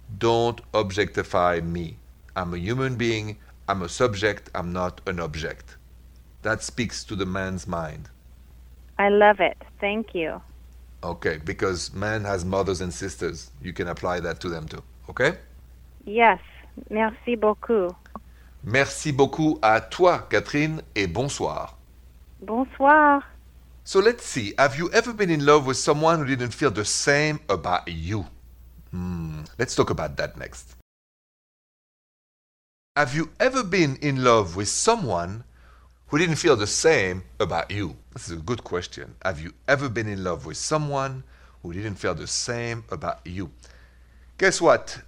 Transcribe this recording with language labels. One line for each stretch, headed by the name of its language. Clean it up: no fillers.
English: Don't objectify me. I'm a human being. I'm a subject. I'm not an object. That speaks to the man's mind. I love it. Thank you. Okay, because man has mothers and sisters. You can apply that to them too. Okay? Yes.
French: Merci beaucoup. Merci beaucoup à toi, Catherine, et bonsoir. Bonsoir.
English: So let's see. Have you ever been in love with someone who didn't feel the same about you? Let's talk about that next. Have you ever been in love with someone who didn't feel the same about you? This is a good question. Have you ever been in love with someone who didn't feel the same about you? Guess what?